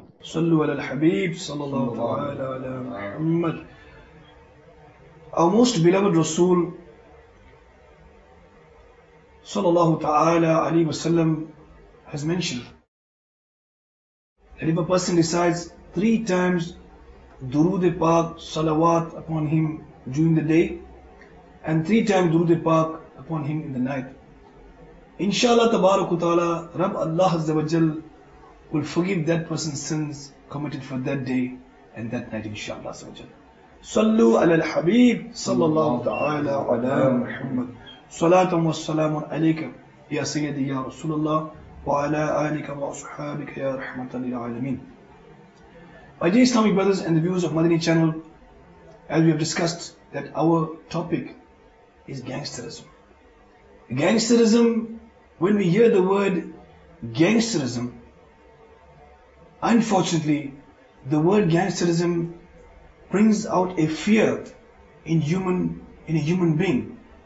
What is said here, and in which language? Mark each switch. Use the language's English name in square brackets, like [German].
[Arabic] सल्लु अला हबीब सल्लल्लाहु तआला अला मुहम्मद। [English] Our most beloved Rasul sallallahu ta'ala alayhi wa sallam has mentioned that if a person recites 3 times durood-e-paak salawat upon him during the day and 3 times durood-e-paak upon him in the night, inshallah tabarak wa ta'ala Rabb Allah azza wa jal will forgive that person's sins committed for that day and that night inshallah azza wa jal. [Arabic] صلوا على الحبيب صلى الله تعالى على محمد صلاة والسلام عليك يا سيدي يا رسول الله وعلى آلك وأصحابك يا رحمة للعالمين. [English] My dear Islamic brothers and the viewers of Madani channel, as we have discussed that our topic is gangsterism. Gangsterism, when we hear the word gangsterism, unfortunately the word gangsterism brings out a fear in a human being.